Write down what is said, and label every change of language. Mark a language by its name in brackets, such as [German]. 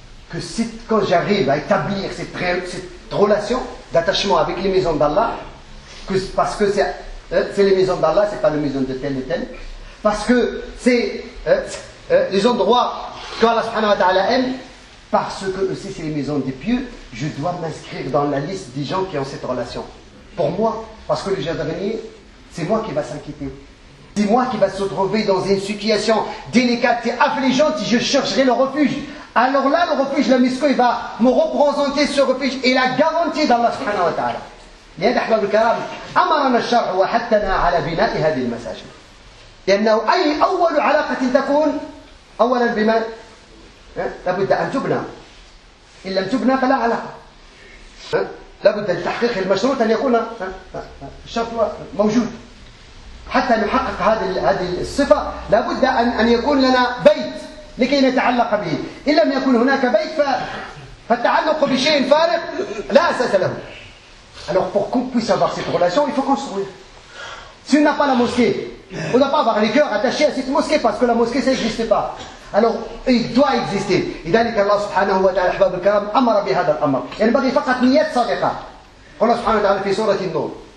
[French] Que si, quand j'arrive à établir cette relation d'attachement avec les maisons d'Allah, que, parce que c'est les maisons d'Allah, c'est pas les maisons de tel et tel, parce que c'est les endroits qu'Allah subhanahu wa ta'ala aime, parce que aussi c'est les maisons des pieux, je dois m'inscrire dans la liste des gens qui ont cette relation. Pour moi, parce que le jour dernier, c'est moi qui va s'inquiéter. C'est moi qui va se trouver dans une situation délicate et affligeante, je chercherai le refuge. Alors là, le refuge, la misko, il va me représenter ce refuge et la garantie d'Allah subhanahu wa ta'ala. [Arabic] لهذا احباب الكرام امرنا الشرع وحثنا على بناء هذه المساجد لانه اي اول علاقه تكون اولا بما لابد ان تبنى ان لم تبنى فلا علاقه لابد لتحقيق المشروط ان يكون الشرط موجود حتى نحقق هذه الصفه لابد ان يكون لنا بيت لكي نتعلق به ان لم يكن هناك بيت فالتعلق بشيء فارغ لا اساس له. [French] Alors pour qu'on puisse avoir cette relation, il faut construire. Si on n'a pas la mosquée, on n'a pas avoir les cœurs attachés à cette mosquée parce que la mosquée, ça n'existe pas. Alors, il doit exister. Et d'ailleurs, Allah subhanahu wa ta'ala, ahbab al-karam, [Arabic] amara bihada al-amr. [French] Il n'y a pas de niyat sadiqa. Allah subhanahu wa ta'ala, [Arabic] fi surat al-Nur.